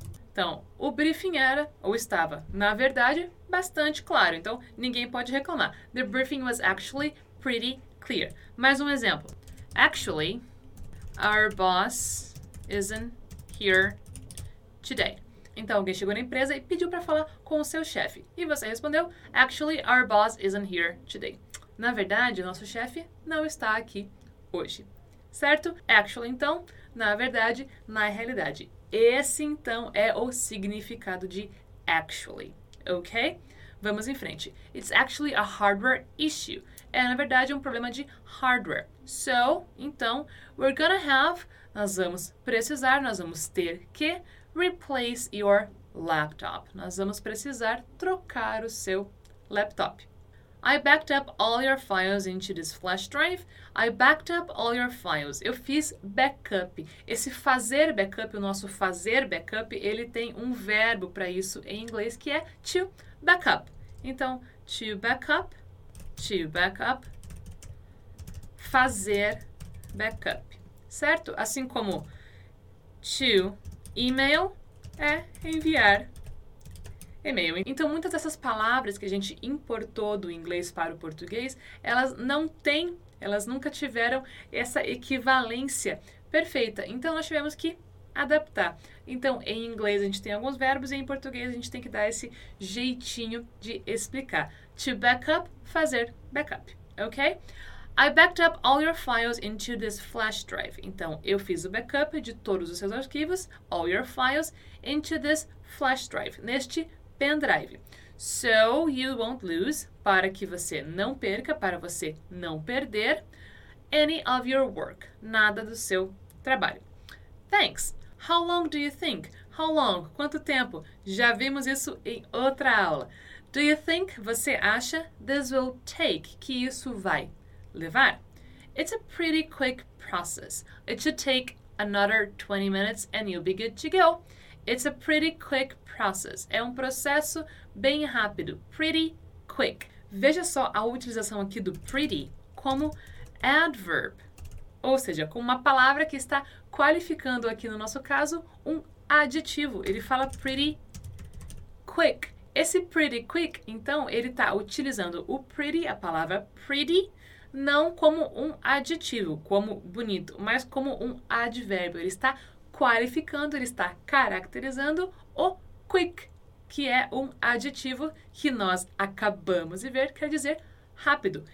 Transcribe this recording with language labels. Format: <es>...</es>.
<pt>Então, o briefing era, ou estava, na verdade, bastante claro. Então, ninguém pode reclamar.</pt> <en>The briefing was actually pretty clear.</en> <pt>Mais um exemplo.</pt> <en>Actually, our boss isn't here today.</en> <pt>Então, alguém chegou na empresa e pediu para falar com o seu chefe. E você respondeu,</pt> <en>Actually, our boss isn't here today.</en> <pt>Na verdade, o nosso chefe não está aqui hoje. Certo? Actually, então, na verdade, na realidade. Esse, então, é o significado de actually. Ok? Vamos em frente.</pt> <en>It's actually a hardware issue.</en> <pt>É, na verdade, um problema de hardware.</pt> <en>So,</en> <pt>então,</pt> <en>we're gonna have,</en> <pt>nós vamos precisar, nós vamos ter que</pt> <en>replace your laptop.</en> <pt>Nós vamos precisar trocar o seu laptop.</pt> <en>I backed up all your files into this flash drive. I backed up all your files.</en> <pt>Eu fiz backup. Esse fazer backup, o nosso fazer backup, ele tem um verbo para isso em inglês que é to backup. Então, to backup, fazer backup, certo? Assim como to email é enviar e-mail. Então, muitas dessas palavras que a gente importou do inglês para o português, elas não têm, elas nunca tiveram essa equivalência perfeita. Então, nós tivemos que adaptar. Então, em inglês a gente tem alguns verbos e em português a gente tem que dar esse jeitinho de explicar. To backup, fazer backup. Ok?</pt> <en>I backed up all your files into this flash drive.</en> <pt>Então, eu fiz o backup de todos os seus arquivos,</pt> <en>all your files, into this flash drive,</en> <pt>neste pendrive.</pt> <en>So you won't lose,</en> <pt>para que você não perca, para você não perder,</pt> <en>any of your work.</en> <pt>Nada do seu trabalho.</pt> <en>Thanks. How long do you think? How long?</en> <pt>Quanto tempo? Já vimos isso em outra aula.</pt> <en>Do you think?</en> <pt>Você acha?</pt> <en>This will take.</en> <pt>Que isso vai levar?</pt> <en>It's a pretty quick process. It should take another 20 minutes and you'll be good to go. It's a pretty quick process.</en> <pt>É um processo bem rápido. Pretty quick. Veja só a utilização aqui do pretty como adverb. Ou seja, com uma palavra que está qualificando aqui no nosso caso um adjetivo. Ele fala pretty quick. Esse pretty quick, então, ele está utilizando o pretty, a palavra pretty, não como um adjetivo, como bonito, mas como um advérbio. Ele está qualificando, ele está caracterizando o quick, que é um adjetivo que nós acabamos de ver, quer dizer rápido.</pt>